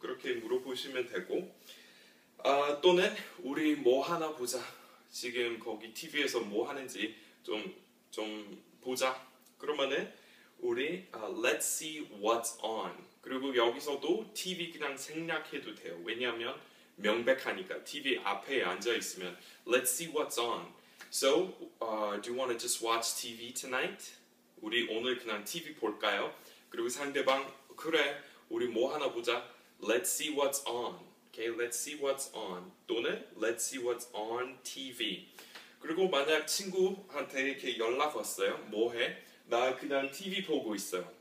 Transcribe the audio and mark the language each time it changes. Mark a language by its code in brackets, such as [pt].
[ko] 그렇게 물어보시면 되고. 또는 우리 뭐 하나 보자. 지금 거기 TV에서 뭐 하는지 좀 보자. 그러면은 우리 [en] Let's see what's on. [ko] 그리고 여기서도 TV 그냥 생략해도 돼요. 왜냐하면 명백하니까 TV 앞에 앉아 있으면 [en] Let's see what's on. So, do you want to just watch TV tonight? [ko] 우리 오늘 그냥 TV 볼까요? 그리고 상대방 그래, 우리 뭐 하나 보자. [en] Let's see what's on. Okay, let's see what's on. 또는 let's see what's on TV. [ko] 그리고 만약 친구한테 이렇게 연락 왔어요. 뭐 해? 나 그냥 TV 보고 있어요.